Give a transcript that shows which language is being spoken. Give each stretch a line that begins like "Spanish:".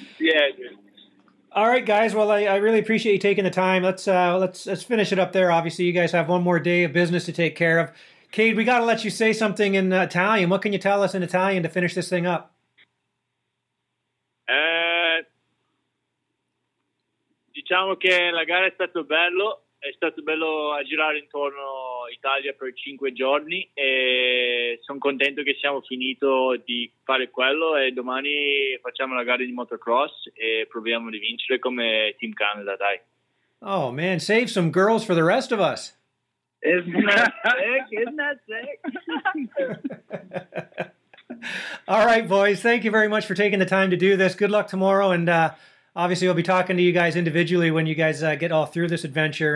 English: Yeah. All right, guys. Well, I really appreciate you taking the time. Let's finish it up there. Obviously, you guys have one more day of business to take care of. Cade, we got to let you say something in Italian. What can you tell us in Italian to finish this thing up?
Italian: Diciamo che la gara è stato bello a girare intorno Italia per 5 giorni e sono contento che siamo finito di fare quello e domani facciamo la gara di motocross e proviamo di vincere come Team Canada, dai.
English: Oh man, save some girls for the rest of us. Isn't that sick? All right, boys. Thank you very much for taking the time to do this. Good luck tomorrow. And obviously, we'll be talking to you guys individually when you guys get all through this adventure.